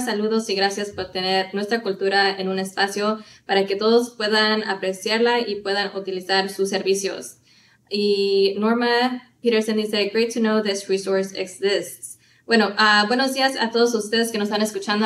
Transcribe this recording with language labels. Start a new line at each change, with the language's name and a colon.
Spanish: Saludos y gracias por tener nuestra cultura en un espacio para que todos puedan apreciarla y puedan utilizar sus servicios. Y Norma Peterson dice,
English: great to know this resource exists.
Spanish: Bueno, buenos días a todos ustedes que nos están escuchando.